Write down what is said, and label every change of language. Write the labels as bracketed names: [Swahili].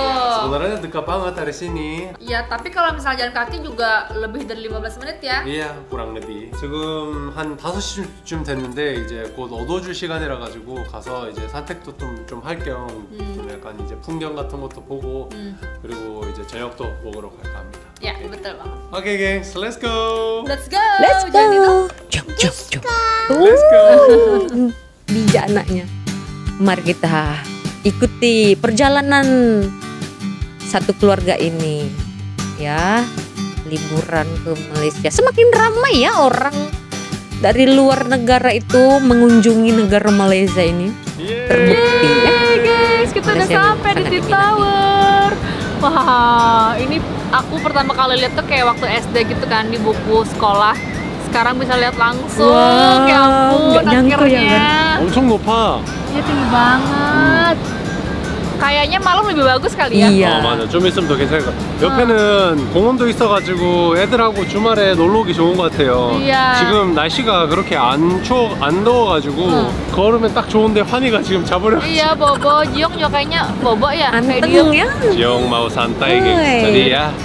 [Indonesian] ya, sebenarnya dekat banget dari sini. Ya tapi kalau misalnya jalan kaki juga lebih dari 15 menit ya. Iya kurang lebih. Sekarang [Korean] 한 5시쯤 됐는데 이제 곧 어두워질 시간이라 가지고 가서 이제 산책도 좀 할 겸 약간 이제 풍경 같은 것도 보고 그리고 이제 저녁도 먹으러 갈까 합니다. [Indonesian] Ya betul banget. Oke gengs, [English] let's go. Let's go. Let's go. Let's go. [Indonesian] Bijak anaknya. Mari kita ikuti perjalanan satu keluarga ini ya, liburan ke Malaysia. [Malay] Semakin ramai ya orang dari luar negara itu mengunjungi negara Malaysia ini. [Indonesian] Yeay. Terbukti ya. Yeay, guys, kita udah sampai di Tea Tower. Wah, ini aku pertama kali lihat tuh kayak waktu SD gitu kan di buku sekolah. Sekarang bisa lihat langsung. Wow, ya ampun, akhirnya. Langsung lupa. Iya tinggi banget. Kayaknya malam lebih bagus kali ya. Iya. [Korean] Oh, 맞아. 좀 있으면 더 괜찮을 것 같아. 옆에는 공원도 있어가지고 애들하고 주말에 놀러 오기 좋은 것 같아요. 이야. 지금 날씨가 그렇게 안 추워 안 더워가지고 걸으면 딱 좋은데 환희가 지금 잡으려고. 이야, 보보. 지영 여기냐? 보보 야. 안 뜨거워? 지영 마우 산타의 갱스터리야.